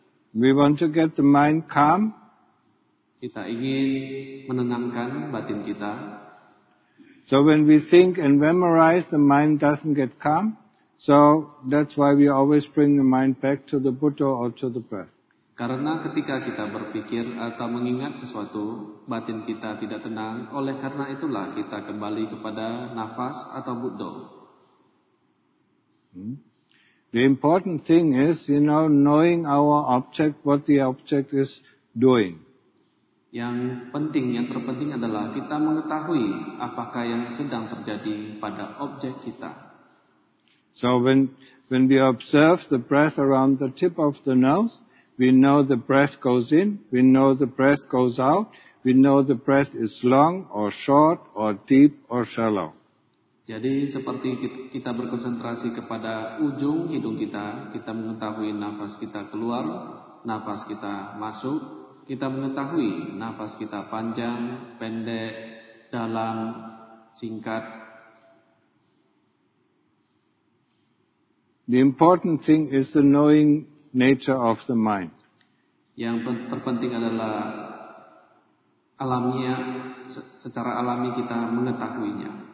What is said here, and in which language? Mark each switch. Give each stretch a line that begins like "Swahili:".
English: We want to get the mind calm.
Indonesian: Kita ingin menenangkan batin kita.
English: So when we think and memorize, the mind doesn't get calm. So that's why we always bring the mind back to the Buddha or to the breath.
Indonesian: Karena ketika kita berpikir atau mengingat sesuatu, batin kita tidak tenang. Oleh karena itulah kita kembali kepada nafas atau Buddha.
English: The important thing is, you know, knowing our object, what the object is doing.
Indonesian: Yang penting, yang terpenting adalah kita mengetahui apakah yang sedang terjadi pada objek kita.
English: So when we observe the breath around the tip of the nose, We know the breath goes in, we know the breath goes out, we know the breath is long or short or deep or shallow.
Indonesian: Jadi seperti kita berkonsentrasi kepada ujung hidung kita, kita mengetahui nafas kita keluar, nafas kita masuk, kita mengetahui nafas kita panjang, pendek, dalam, singkat.
English: The important thing is the knowing nature of the mind.
Indonesian: Yang terpenting adalah alamiah, secara alami kita mengetahuinya.